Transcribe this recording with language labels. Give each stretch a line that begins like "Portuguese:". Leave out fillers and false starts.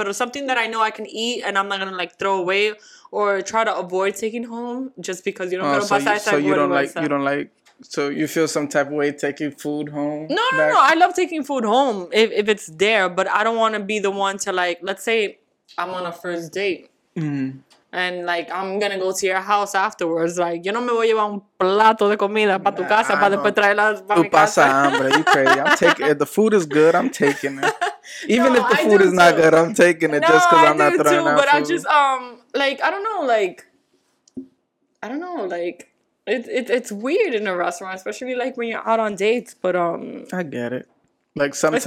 English: But something that I know I can eat and I'm not gonna like throw away. Or try to avoid taking home just because you don't go to Pasay. So you feel some type of way taking food home? No. I love taking food home if it's there. But I don't want to be the one to like, let's say I'm on a first date. Mm-hmm. And like, I'm going to go to your house afterwards.
Spanish: Like, yo no me voy a llevar un plato de comida para tu casa para después traerla para mi casa. Tú pasa hambre.
English: You crazy. If the food is good, I'm taking it. Even if the food is not good, I'm taking it just because I'm not throwing out food. But I just, I don't know, it's weird in a restaurant, especially like when you're out on dates, but I get it. Like sometimes,